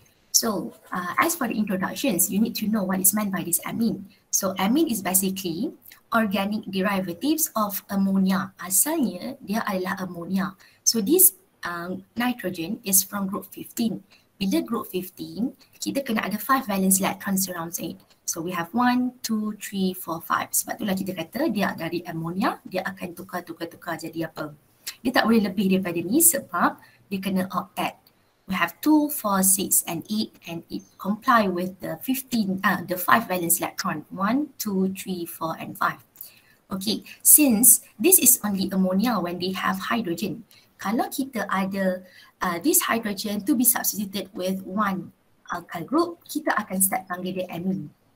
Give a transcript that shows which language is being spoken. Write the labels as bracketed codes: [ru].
[en] So, as for the introductions, you need to know what is meant by this amine. So, amine is basically organic derivatives of ammonia. [ms] Asalnya, dia adalah ammonia. [en] So, this nitrogen is from group 15. [ms] Bila group 15, kita kena ada 5 [en] valence electrons around it. So, we have 1, 2, 3, 4, 5. [ms] Sebab itulah kita kata dia dari ammonia, dia akan tukar jadi apa. Dia tak boleh lebih daripada ni sebab dia kena octet. [en] We have 2, 4, 6 and 8 and it comply with the 5 valence electron. 1, 2, 3, 4 and 5. Okay, since this is only ammonia when they have hydrogen. [ms] Kalau kita ada [en] this hydrogen to be substituted with 1 alkyl group, [ms] kita akan start panggil dia amine.